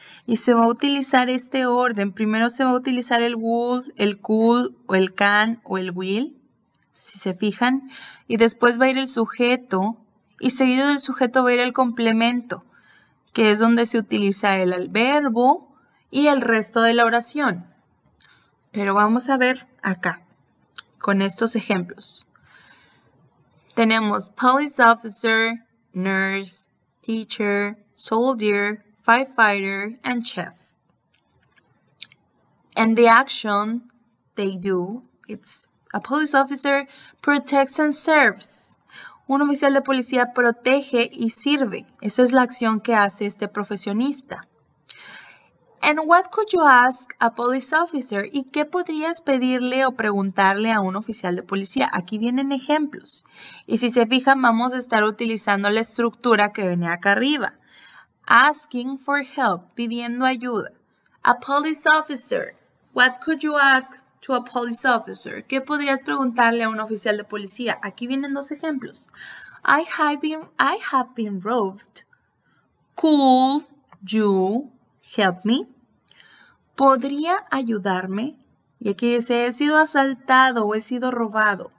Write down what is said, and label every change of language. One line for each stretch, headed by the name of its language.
Spanish: Y se va a utilizar este orden. Primero se va a utilizar el would, el could, o el can, o el will, si se fijan. Y después va a ir el sujeto. Y seguido del sujeto va a ir el complemento, que es donde se utiliza el verbo y el resto de la oración. Pero vamos a ver acá, con estos ejemplos.
English: Tenemos police officer, nurse, teacher, soldier, firefighter, and chef. And the action they do, it's a police officer protects and serves.
Spanish: Un oficial de policía protege y sirve. Esa es la acción que hace este profesionista.
English: And what could you ask a police officer?
Spanish: ¿Y qué podrías pedirle o preguntarle a un oficial de policía? Aquí vienen ejemplos. Y si se fijan, vamos a estar utilizando la estructura que venía acá arriba.
English: Asking for help,
Spanish: pidiendo ayuda.
English: A police officer, What could you ask to a police officer?
Spanish: ¿Qué podrías preguntarle a un oficial de policía? Aquí vienen dos ejemplos.
English: I have been robbed. Could you help me?
Spanish: ¿Podría ayudarme? Y aquí dice, he sido asaltado o he sido robado.